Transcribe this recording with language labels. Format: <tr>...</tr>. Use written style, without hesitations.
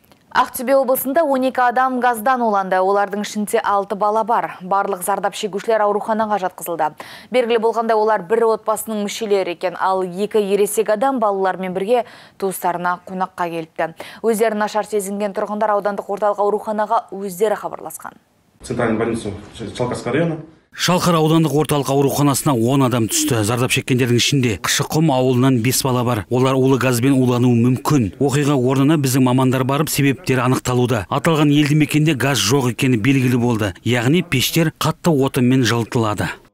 <kk>Ақтөбе облысында 12 адам газдан уланды, олардың ішінде 6 бала бар. Барлық зардап шегушілер ауруханаға жатқызылды. Белгілі болғандай, олар бір отбасының мүшелері екен, ал 2 ересек адам балалармен бірге туыстарына қонаққа келіпті. Өздерін нашар сезінген тұрғындар аудандық орталық ауруханаға өздері хабарласқан.</kk> <ru>Центральный больница Чалкарского района.</ru> <kk>Шалқар аудандық орталық ауруханасына 10 адам түсті. Зардап шеккендердің ішінде Қышықұм ауылынан 5 бала бар. Олар улы газбен улануы мүмкін. Оқиға орнына біздің мамандар барып, себептері анықталуда. Аталған елді мекенде газ жоқ екені белгілі болды. Яғни пештер қатты отынмен жылытылады.</kk>